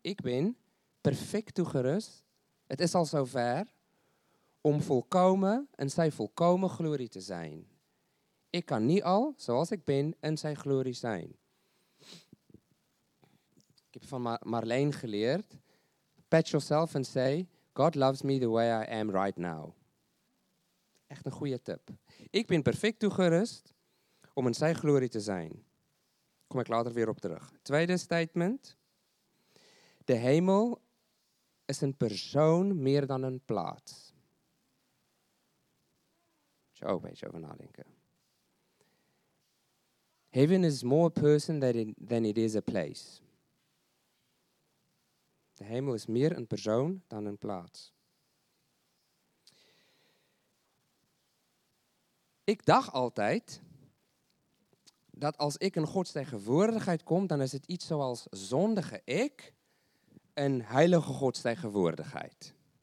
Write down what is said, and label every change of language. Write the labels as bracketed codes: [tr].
[nl] Ik ben perfect toegerust. Het is al zover. Om volkomen in zijn volkomen glorie te zijn. Ik kan niet al, zoals ik ben, in zijn glorie zijn. Ik heb van Marleen geleerd. [en] Pat yourself and say, God loves me the way I am right now. [nl] Echt een goede tip. Ik ben perfect toegerust om in zijn glorie te zijn. Kom ik later weer op terug. Tweede statement. De hemel is een persoon meer dan een plaats. Moet je ook een beetje over nadenken. [en] Heaven is more a person than it is a place. [nl] De hemel is meer een persoon dan een plaats. Ik dacht altijd dat als ik in Gods tegenwoordigheid kom, dan is het iets zoals zondige ik een heilige Gods tegenwoordigheid.